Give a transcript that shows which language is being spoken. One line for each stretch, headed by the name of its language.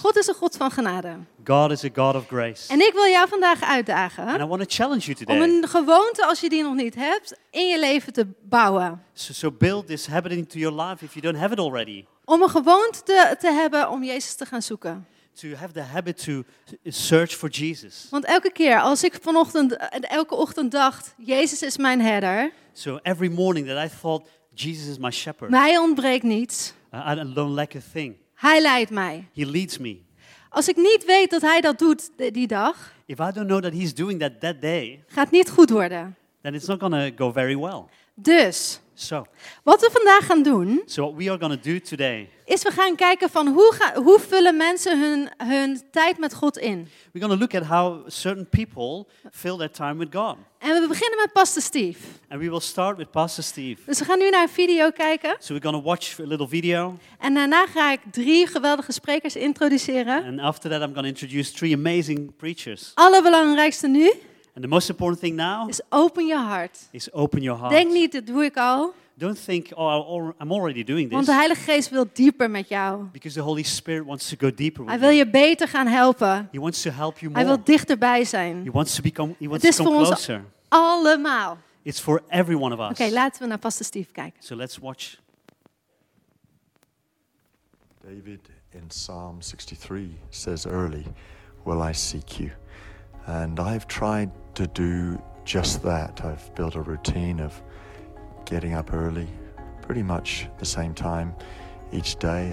Dutch: God is een God van genade.
English: God is a God of grace.
Dutch: En ik wil jou vandaag uitdagen.
English: And I want to challenge you today.
Dutch: Om een gewoonte als je die nog niet hebt in je leven te bouwen.
English: So build this habit into your life if you don't have it already.
Dutch: Om een gewoonte te hebben om Jezus te gaan zoeken.
English: To have the habit to search for Jesus.
Dutch: Want elke keer als ik vanochtend en elke ochtend dacht Jezus is mijn herder.
English: So every morning that I thought Jesus is my shepherd.
Dutch: Mij ontbreekt niets.
English: I don't lack a thing.
Dutch: Hij leidt mij.
English: He leads me.
Dutch: Als ik niet weet dat hij dat doet die dag.
English: If I don't know that he's doing that day.
Dutch: Gaat niet goed worden.
English: Then it's not gonna go very well.
Dutch: Dus.
English: So.
Dutch: Wat we vandaag gaan doen.
English: So what we are gonna do today.
Dutch: Is we gaan kijken van hoe vullen mensen hun tijd met God in.
English: We're gonna look at how certain people fill their time with God.
Dutch: En we beginnen met Pastor Steve.
English: And we will start with Pastor Steve.
Dutch: Dus we gaan nu naar een video kijken.
English: So we're gonna watch a little video.
Dutch: En daarna ga ik 3 geweldige sprekers introduceren.
English: And after that I'm gonna introduce 3 amazing preachers.
Dutch: Allerbelangrijkste nu.
English: And the most important thing now. Is open your heart. Is open your heart.
Dutch: Denk niet, dat doe ik al.
English: Don't think, oh, I'm already doing this.
Dutch: Want de Heilige Geest wil dieper met jou.
English: Because the Holy Spirit wants to go deeper with
Dutch: you. Hij wil je beter gaan helpen.
English: He wants to help you more.
Dutch: Hij wil dichterbij zijn.
English: He wants to come closer.
Dutch: Allemaal.
English: It's for every one of us.
Dutch: Oké, laten we naar Pastor Steve kijken.
English: So let's watch. David in Psalm 63 says, early will I seek you. And I've tried to do just that. I've built a routine of getting up early, pretty much the same time each day.